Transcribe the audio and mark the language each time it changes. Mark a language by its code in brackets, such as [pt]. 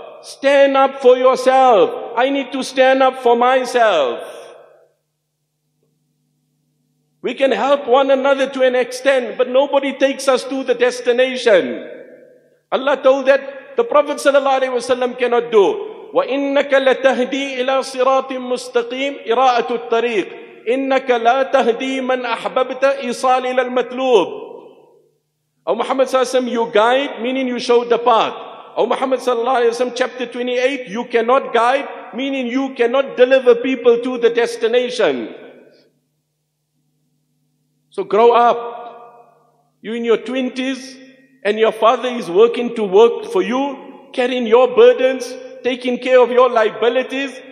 [en] Stand up for yourself. I need to stand up for myself. We can help one another to an extent, but nobody takes us to the destination. Allah told that the Prophet sallallahu alaihi wasallam cannot do. [ar] وَإِنَّكَ لَتَهْدِي إِلَىٰ صِرَاطٍ مُسْتَقِيمٍ إِرَاءَةُ الطَّرِيقِ إِنَّكَ لَا تَهْدِي مَنْ أَحْبَبْتَ إِصَالِ إِلَىٰ الْمَتْلُوبِ. [en] O Muhammad sallallahu alayhi wa sallam, you guide, meaning you show the path. O Muhammad sallallahu alayhi wa sallam, chapter 28, you cannot guide, meaning you cannot deliver people to the destination. So grow up. You're in your 20s, and your father is working to work for you, carrying your burdens, taking care of your liabilities.